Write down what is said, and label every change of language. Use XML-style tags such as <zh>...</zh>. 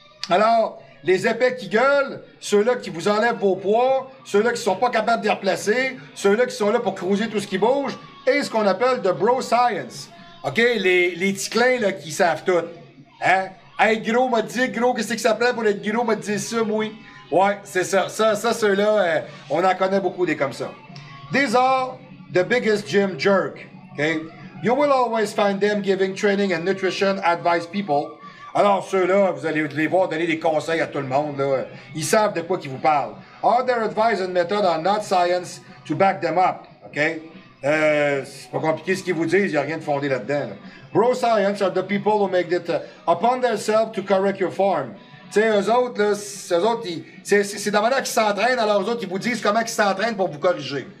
<fr>Alors, les épais qui gueulent, ceux-là qui vous enlèvent vos poids, ceux-là qui sont pas capables de les replacer, ceux-là qui sont là pour creuser tout ce qui bouge, et ce qu'on appelle de bro science. OK, les ticlins, là, qui savent tout. Hein? Hey, gros, m'a dit, gros, qu'est-ce que ça prend pour être gros, m'a dit ça, moi. Ouais, c'est ça. Ça, ceux-là, on en connaît beaucoup des comme ça.</fr> <en>These are the biggest gym jerk. Okay? You will always find them giving training and nutrition advice people.</en> <fr>Alors, ceux-là, vous allez les voir donner des conseils à tout le monde, là. Ils savent de quoi qu'ils vous parlent.</fr> <en>All their advice and methods are not science to back them up. Okay?</en> <fr>C'est pas compliqué ce qu'ils vous disent, il n'y a rien de fondé là-dedans. Là.</fr> <en>Bro science are the people who make it upon themselves to correct your form.</en> <fr>Tu sais, eux autres, ils, c'est de la manière qu'ils s'entraînent, alors eux autres, ils vous disent comment ils s'entraînent pour vous corriger.</fr>